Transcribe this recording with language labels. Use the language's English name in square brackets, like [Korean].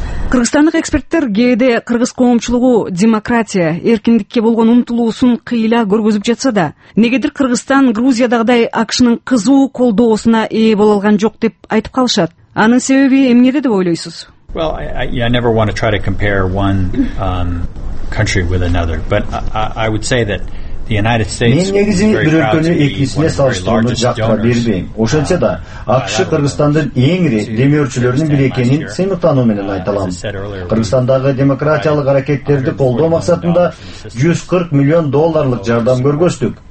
[Kyrgyz] Кыргызстандык эксперттер кээде кыргыз коомчулугу демократия, эркиндикке болгон умтулуусун кыйла көргөзүп жатса да, негедир Кыргызстан Грузиядагыдай АКШнын кызуу колдоосуна ээ боло алган жок деп айтып калышат. Анын себеби эмнеде деп ойлойсуз? [English] Well, I never want to try to compare one country with another, but I would say that [Kyrgyz] мен негизи бир өлкөнү экинчисине салыштырууну жактыра бербейм. Ошентсе да АКШ Кыргызстандын эң ири демөөрчүлөрүнүн бири экенин сыймыктануу менен айта алам. Кыргызстандагы демократиялык аракеттерди колдоо максатында 140 миллион долларлык жардам көргөздүк.